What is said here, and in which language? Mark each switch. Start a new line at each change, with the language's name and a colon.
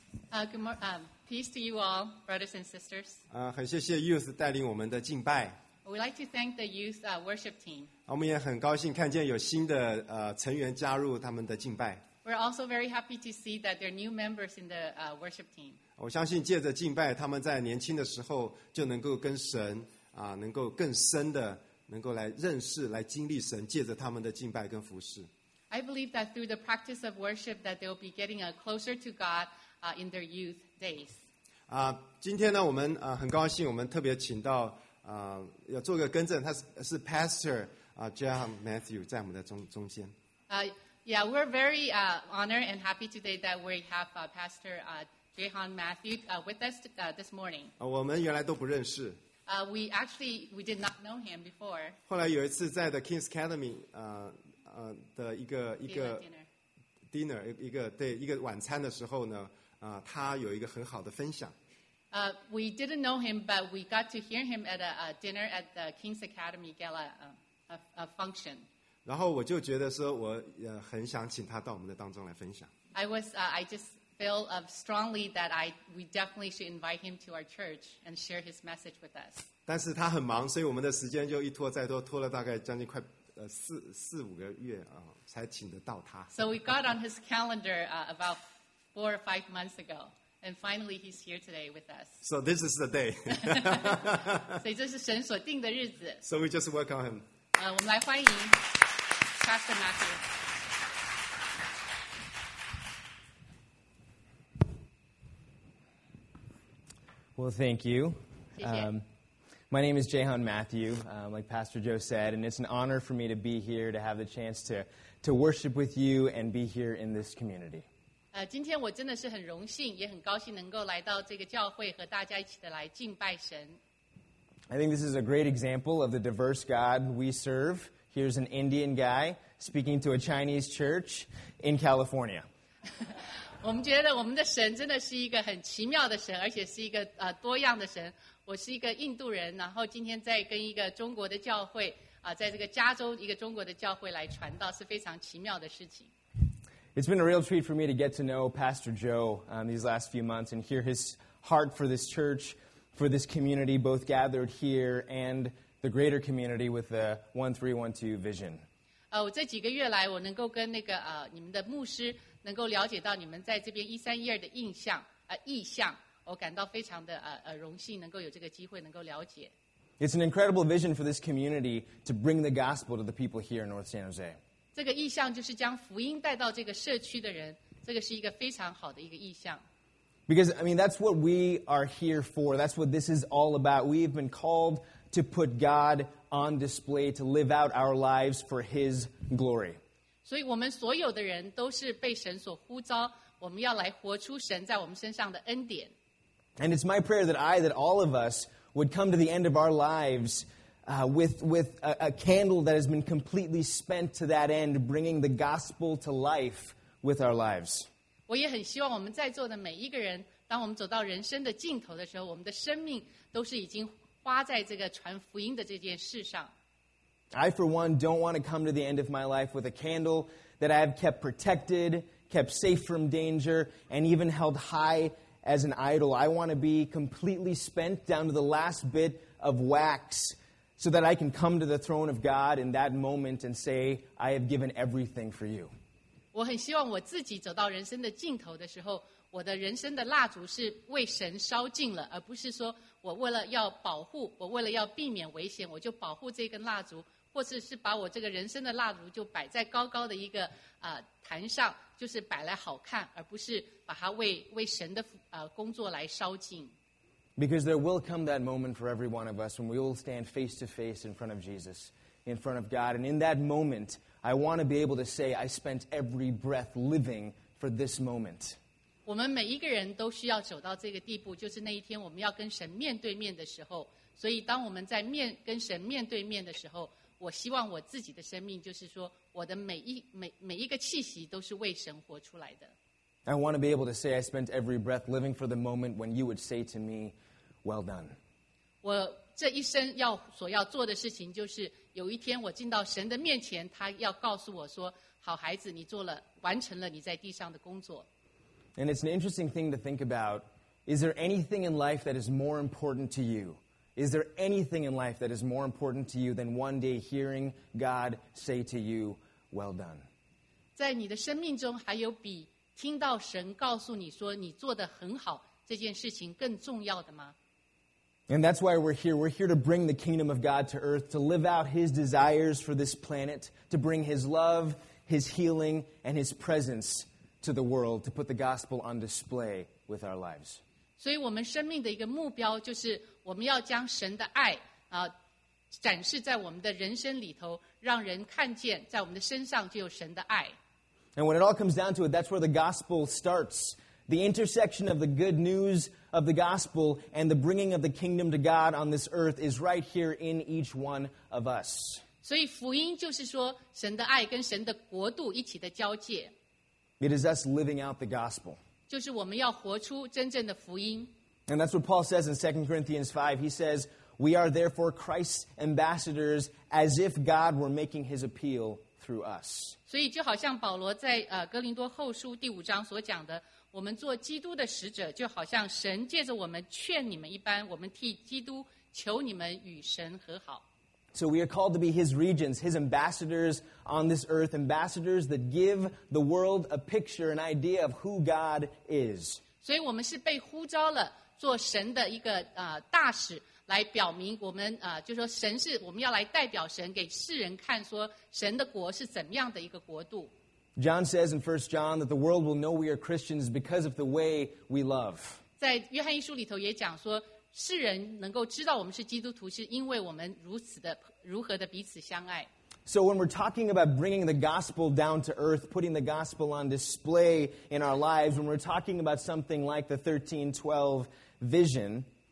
English: Good morning, peace to you all, brothers and sisters.
Chinese: 很谢谢 Youth 带领我们的敬拜。
English: We'd like to thank the Youth worship team.
Chinese: 我们也很高兴看见有新的成员加入他们的敬拜。
English: We're also very happy to see that there are new members in the worship team.
Chinese: 我相信借着敬拜，他们在年轻的时候就能够跟神能够更深的能够来认识、来经历神，借着他们的敬拜跟服事。
English: I believe that through the practice of worship that they'll be getting closer to God in their youth days.
Chinese: 今天呢我们很高兴我们特别请到要做个更正，他 是 Pastor John Matthew 在我们的 中间。
English: Yeah, we're very honored and happy today that we have Pastor John Matthew with us this morning.
Chinese: 我们原来都不认识。
English: We did not know him before.
Chinese: 后来有一次在 The King's Academy, 的一个
English: dinner
Chinese: 一个晚餐的时候呢，他有一个很好的分享。
English: We didn't know him, but we got to hear him at a dinner at the King's Academy Gala a function.
Chinese: 然后我就觉得说我很想请他到我们的当中来分享。
English: I just feel strongly that we definitely should invite him to our church and share his message with us.
Chinese: 但是他很忙，所以我们的时间就一拖再拖，拖了大概将近快。四五个月才请得到他。
English: So we got on his calendar about 4 or 5 months ago, and finally he's here today with us. So this is the day.
Chinese: 所以这是神所定的日子。
English: So we just welcome him.
Chinese: 我们来欢迎 Pastor Matthew.
English: Well, thank you.
Chinese: 谢谢。
English: My name is Jehan Matthew, like Pastor Joe said, and it's an honor for me to be here, to have the chance to worship with you and be here in this community.
Chinese: 今天我真的是很荣幸，也很高兴能够来到这个教会和大家一起的来敬拜神。
English: I think this is a great example of the diverse God we serve. Here's an Indian guy speaking to a Chinese church in California.
Chinese: 我们觉得我们的神真的是一个很奇妙的神，而且是一个多样的神。我是一个印度人，然后今天在跟一个中国的教会在这个加州一个中国的教会来传道，是非常奇妙的事情。
English: It's been a real treat for me to get to know Pastor Joe these last few months and hear his heart for this church, for this community, both gathered here and the greater community with the 1312 vision.
Chinese: 我这几个月来，我能够跟那个你们的牧师能够了解到你们在这边1312的印象意向。我感到非常的荣幸能够有这个机会能够了解。
English: It's an incredible vision for this community to bring the gospel to the people here in North San Jose.
Chinese: 这个意向就是将福音带到这个社区的人，这个是一个非常好的一个意向。
English: Because, I mean, that's what we are here for. That's what this is all about. We've been called to put God on display, to live out our lives for His glory.
Chinese: 所以我们所有的人都是被神所呼召，我们要来活出神在我们身上的恩典。
English: And it's my prayer that all of us would come to the end of our lives with a candle that has been completely spent to that end, bringing the gospel to life with our lives.
Chinese: 我也很希望我们在座的每一个人，当我们走到人生的尽头的时候，我们的生命都是已经花在这个传福音的这件事上。
English: I, for one, don't want to come to the end of my life with a candle that I have kept protected, kept safe from danger, and even held high as an idol. I want to be completely spent down to the last bit of wax so that I can come to the throne of God in that moment and say, I have given everything for you.
Chinese: 我很希望我自己走到人生的尽头的时候，我的人生的蜡烛是为神烧尽了，而不是说我为了要保护，我为了要避免危险，我就保护这根蜡烛，或者是把我这个人生的蜡烛就摆在高高的一个坛上，就是摆来好看，而不是把它为神的工作来烧尽。
English: Because there will come that moment for every one of us when we will stand face to face in front of Jesus, in front of God. And in that moment, I want to be able to say, I spent every breath living for this moment.
Chinese: 我们每一个人都需要走到这个地步，就是那一天我们要跟神面对面的时候。所以当我们在跟神面对面的时候，我希望我自己的生命就是说我的每一个气息都是为神活出来的。
English: I want to be able to say I spent every breath living for the moment when you would say to me, well done.
Chinese: 我这一生所要做的事情就是有一天我进到神的面前，他要告诉我说，好孩子，你完成了你在地上的工作。
English: And it's an interesting thing to think about. Is there anything in life that is more important to you? Is there anything in life that is more important to you than one day hearing God say to you, well done?
Chinese: 在你的生命中还有比听到神告诉你说你做得很好这件事情更重要的吗？
English: And that's why we're here. We're here to bring the kingdom of God to earth, to live out his desires for this planet, to bring his love, his healing, and his presence to the world, to put the gospel on display with our lives.
Chinese: 所以我们生命的一个目标就是我们要将神的爱展示在我们的人生里头，让人看见在我们的身上就有神的爱。
English: And when it all comes down to it, that's where the gospel starts. The intersection of the good news of the gospel and the bringing of the kingdom to God on this earth is right here in each one of us.
Chinese: 所以福音就是说神的爱跟神的国度一起的交界。
English: It is us living out the gospel.
Chinese: 就是我们要活出真正的福音。
English: And that's what Paul says in 2 Corinthians 5. He says, we are therefore Christ's ambassadors as if God were making his appeal through us.
Chinese: 所以就好像保罗在哥林多后书第五章所讲的，我们做基督的使者，就好像神借着我们劝你们一般，我们替基督求你们与神和好。
English: So we are called to be his regents, his ambassadors on this earth, ambassadors that give the world a picture, an idea of who God is.
Chinese: 所以我们是被呼召了做神的一个大使，来表明我们就说神是我们要来代表神给世人看，说神的国是怎么样的一个国度。
English: John says in 1 John that the world will know we are Christians because of the way we love.
Chinese: 在约翰一书里头也讲说，世人能够知道我们是基督徒，是因为我们如何的彼此相爱。
English: So when we're talking about bringing the gospel down to earth, putting the gospel on display in our lives, when we're talking about something like the 1312 vision,